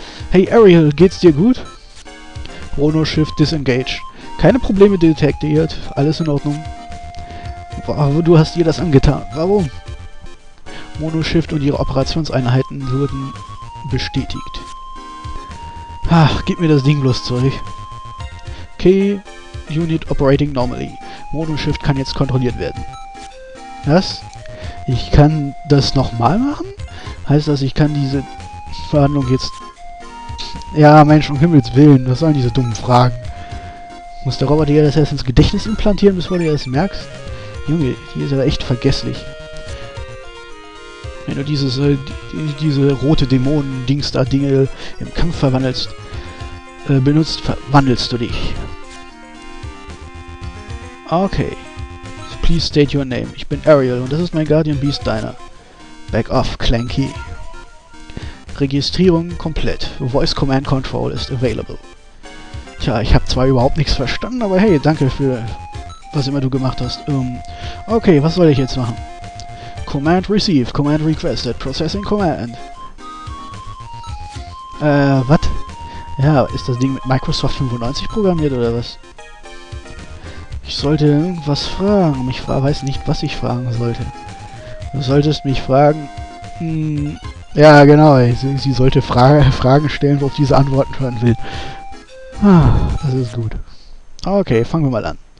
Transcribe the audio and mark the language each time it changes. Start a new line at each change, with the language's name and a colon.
German: Hey Ariel, geht's dir gut?
English: Bruno Shift disengaged.
German: Keine Probleme detektiert. Alles in Ordnung. Aber du hast dir das angetan. Warum? Mono-Shift und ihre Operationseinheiten wurden bestätigt. Gib mir das Ding bloß zurück.
English: Okay, Unit operating normally.
German: Mono-Shift kann jetzt kontrolliert werden. Was? Ich kann das nochmal machen? Heißt das, ich kann diese Verhandlung jetzt... Ja, Mensch, um Himmels Willen, was sollen diese dummen Fragen? Muss der Roboter dir das erst ins Gedächtnis implantieren, bevor du das merkst? Junge, hier ist er echt vergesslich. Wenn du diese rote Dämonen-Dings da Dinge im Kampf verwandelst, benutzt, verwandelst du dich.
English: Okay. Please state your name.
German: Ich bin Ariel und das ist mein Guardian Beast Diner.
English: Back off, Clanky.
German: Registrierung komplett. Voice Command Control ist available. Tja, ich habe zwar überhaupt nichts verstanden, aber hey, danke für was immer du gemacht hast. Okay, was soll ich jetzt machen?
English: Command Receive, Command Requested, Processing Command.
German: Was? Ja, ist das Ding mit Microsoft 95 programmiert oder was? Ich sollte irgendwas fragen. Ich weiß nicht, was ich fragen sollte. Du solltest mich fragen... ja, genau. Sie sollte Fragen stellen, worauf diese Antworten hören will. Das ist gut. Okay, fangen wir mal an.